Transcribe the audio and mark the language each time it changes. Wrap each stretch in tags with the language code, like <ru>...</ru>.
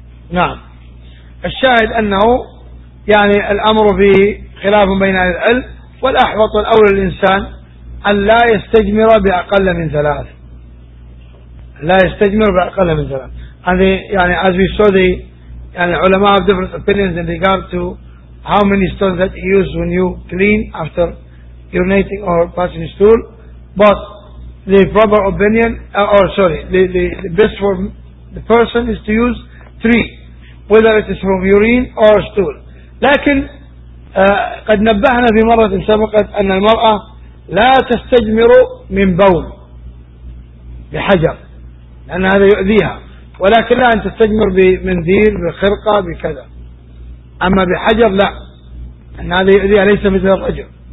<ar>نعم. الشاهد أنه يعني الأمر في خلاف بين أهل العلم، والأحوط والأولى للإنسان أن لا يستجمر بأقل من ثلاث، لا يستجمر بأقل من ثلاث.</ar> <en>هذه يعني as we saw the and the ulama have different opinions in regard to how many stones that you use when you clean after urinating or passing stool, but the proper opinion the best for the person is to use three, whether it is from urine or stool.</en> <ar>لكن قد نبهنا في مرة سابقة أن المرأة لا تستجمر من بول بحجر لأن هذا يؤذيها، ولكن لا أن تستجمر بمنديل بخرقة بكذا، أما بحجر لا، أن هذه يؤذيها ليس مثل الرجل.</ar>